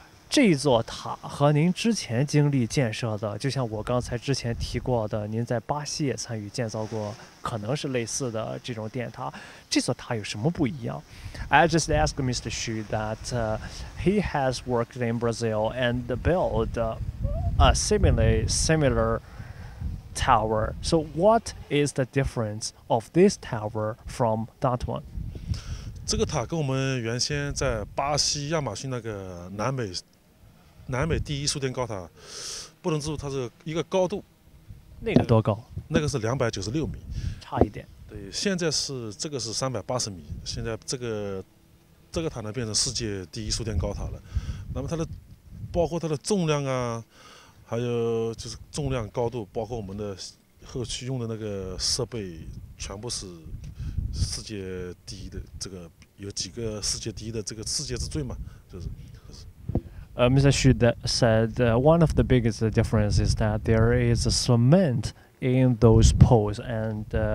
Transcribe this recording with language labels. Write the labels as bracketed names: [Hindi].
[Chinese] 这座塔和您之前经历建设的，就像我刚才之前提过的，您在巴西也参与建造过，可能是类似的这种电塔。这座塔有什么不一样 ？ [English] I just ask Mr. Xu that he has worked in Brazil and built a similar. Tower. So, what is the difference of this tower from that one? [Chinese] 这个塔跟我们原先在巴西亚马逊那个南美第一输电高塔，不能说它是一个高度。那个多高？那个是296米，差一点。对，现在是这个是380米，现在这个塔呢变成世界第一输电高塔了。那么它的包括它的重量啊。还有就是重量、高度，包括我们的后期用的那个设备，全部是世界第一的。这个有几个世界第一的，这个世界之最嘛，就是。 [English] Mr. Xu said one of the biggest differences is that there is a cement in those poles and.